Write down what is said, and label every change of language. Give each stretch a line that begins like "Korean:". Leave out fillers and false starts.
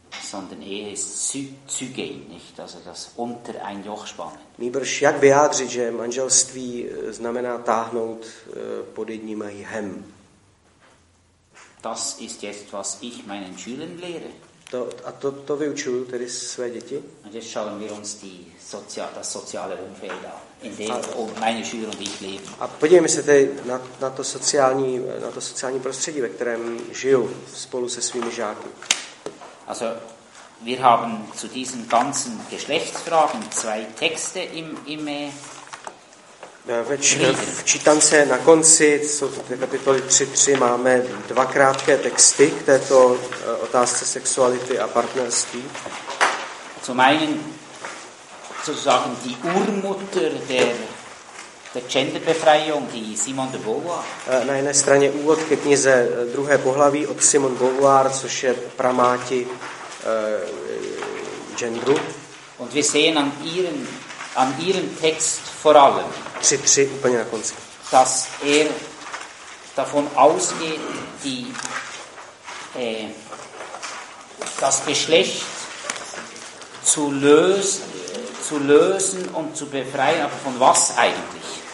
German: Sondern Ehe ist zügig, nicht also das unter ein Joch spannen.
Czech: Nýbrž jak vyjádřit, že manželství znamená táhnout pod jedním jehem.
German: Das ist jetzt, was ich meinen Schülern lehre.
Czech: To vyučuju tedy své děti.
German: Und jetzt schauen wir uns das soziale Umfeld an, in dem meine Schüler und ich leben.
Czech: A podívejme se tedy na to sociální prostředí, ve kterém žiju spolu se svými žáky.
German: Also wir haben zu diesen ganzen Geschlechtsfragen zwei Texte im
Czech: V čítance na konci, jsou to kapitoly 3.3, máme dva krátké texty k této otázce sexuality a partnerství.
German: Zum einen sozusagen die Urmutter der Genderbefreiung, die Simone de Beauvoir.
Czech: Na jedné straně úvod ke knize druhé pohlaví od Simone Beauvoir, což je pramáti genderu.
German: Und wir sehen an ihrem Text vor allem.
Czech: 3.3 úplně na konci.
German: Dass er davon ausgeht, die das Geschlecht zu lösen und zu befreien, aber von was eigentlich?